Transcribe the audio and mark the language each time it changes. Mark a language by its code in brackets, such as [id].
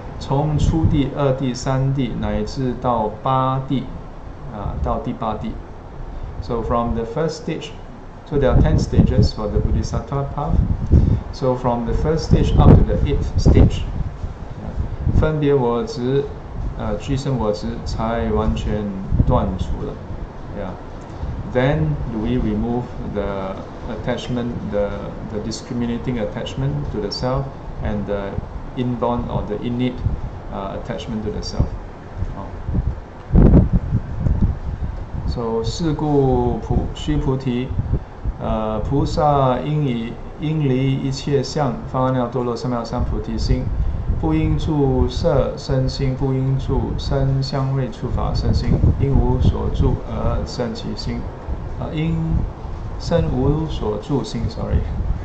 [zh] 从初地、二地、三地乃至到八地, 到第八地. [en] So from the first stage, so there are 10 stages for the Bodhisattva path. So from the first stage up to the 8th stage, [zh] 分别我执, 俱生我执, 才完全断除了. [en] Yeah. then do we remove the attachment, the discriminating attachment to the self, and the inborn or the innate attachment to the self. [zh] So, 是故须菩提，菩萨应离一切相，发阿耨多罗三藐三菩提心，不应住色身心，不应住声香味触法身心，因无所住而生其心，因身无所住心 ，sorry。